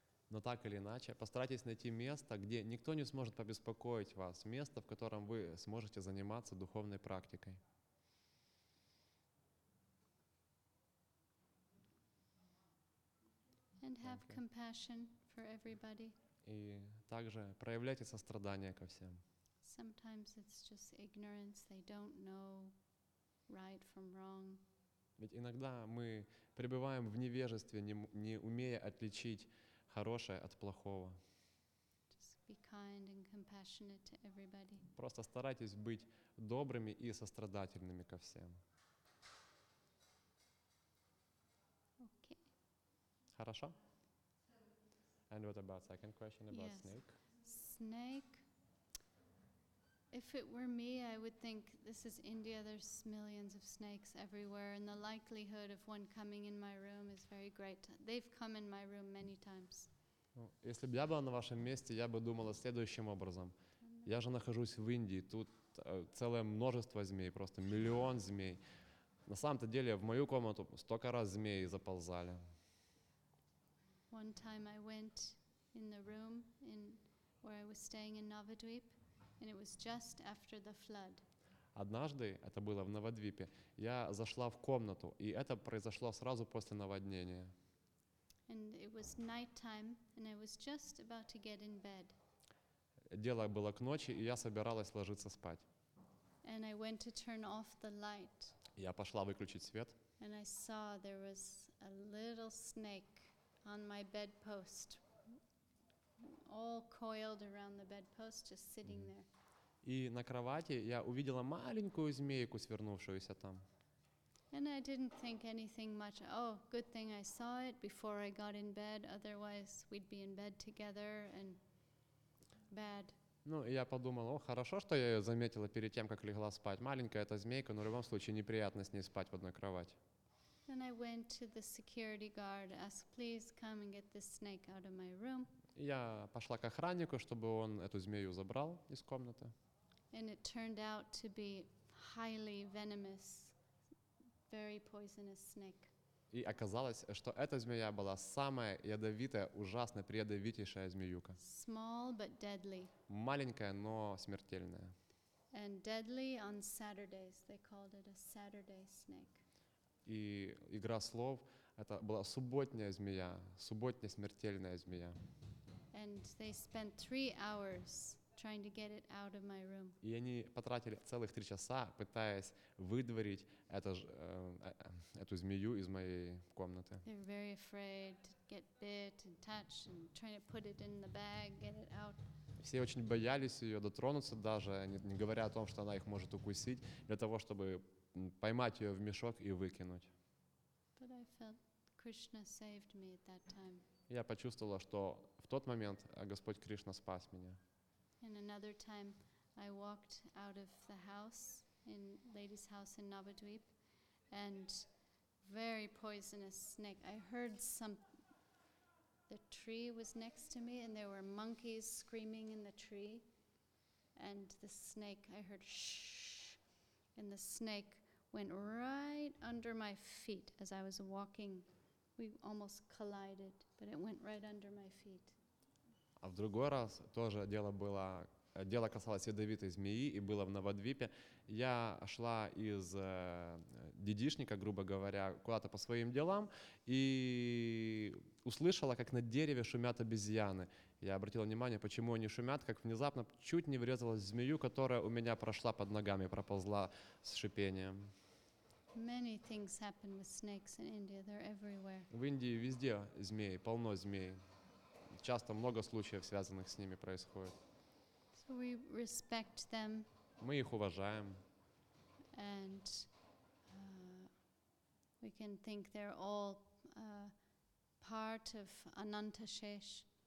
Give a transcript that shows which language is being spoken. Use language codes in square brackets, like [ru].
[ru] Но так или иначе, постарайтесь найти место, где никто не сможет побеспокоить вас, место, в котором вы сможете заниматься духовной практикой. [en] And have compassion for everybody. [ru] И также проявляйте сострадание ко всем. [en] Sometimes it's just ignorance, they don't know right from wrong. [ru] Ведь иногда мы пребываем в невежестве, не умея отличить хорошее от плохого. [en] Just be kind and compassionate to everybody. [ru] Просто старайтесь быть добрыми и сострадательными ко всем. [en] Okay. [ru] Хорошо? [en] And what about second question about snake? Snake. If it were me, I would think this is India, there's millions of snakes everywhere, and the likelihood of one coming in my room is very great. They've come in my room many times. [ru] Если бы я была на вашем месте, я бы думала следующим образом. Я же нахожусь в Индии, тут целое множество змей, просто миллион змей. На самом-то деле, в мою комнату столько раз змеи заползали. [en] One time I went in the room in where I was staying in Navadvip. And it was just after the flood. [ru] Однажды, это было в Навадвипе, я зашла в комнату, и это произошло сразу после наводнения. [en] And it was nighttime, and I was just about to get in bed. [ru] Дело было к ночи, и я собиралась ложиться спать. [en] And I went to turn off the light. [ru] Я пошла выключить свет. [en] And I saw there was a little snake on my bedpost. All coiled around the bedpost, just sitting there. [ru] И на кровати я увидела маленькую змейку, свернувшуюся там. [en] And I didn't think anything much. Oh, good thing I saw it before I got in bed. Otherwise, we'd be in bed together and bad. [ru] Ну, я подумала, о, хорошо, что я ее заметила перед тем, как легла спать. Маленькая эта змейка, но в любом случае неприятно с ней спать в одной кровати. [en] And I went to the security guard, asked, please come and get this snake out of my room. [ru] Я пошла к охраннику, чтобы он эту змею забрал из комнаты. [en] And it turned out to be highly venomous, very poisonous snake. [ru] И оказалось, что эта змея была самая ядовитая, ужасная, предъявитейшая змеюка. [en] Small but deadly. [ru] Маленькая, но смертельная. [en] And deadly on Saturdays. They called it a Saturday snake. [ru] И игра слов, это была субботняя змея, субботняя смертельная змея. [en] And they spent 3 hours trying to get it out of my room. [ru] И они потратили целых 3 часа, пытаясь выдворить эту змею из моей комнаты. [en] They're very afraid to get bit and touch and trying to put it in the bag, get it out. [ru] Все очень боялись ее дотронуться, даже не говоря о том, что она их может укусить, для того, чтобы поймать ее в мешок и выкинуть. [en] But I felt Krishna saved me at that time. [ru] Я почувствовала, что в тот момент Господь Кришна спас меня. [en] And another time I walked out of the house, in lady's house in Navadvip, and very poisonous snake. I heard some the tree was next to me, and there were monkeys screaming in the tree, and the snake, I heard shh, and the snake went right under my feet as I was walking. We almost collided, but it went right under my feet. [ru] А в другой раз тоже дело было, дело касалось ядовитой змеи, и было в Новодвипе. Я шла из дедишника, грубо говоря, куда-то по своим делам, и услышала, как на дереве шумят обезьяны. Я обратила внимание, почему они шумят, как внезапно чуть не врезалась в змею, которая у меня прошла под ногами, проползла с шипением. [en] Many things happen with snakes in India. They're everywhere. [ru] В Индии везде змеи, полно змей. Часто много случаев, связанных с ними, происходит. [en] So we respect them. [ru] Мы их уважаем. [en] And we can think they're all part of Ananta Shesh.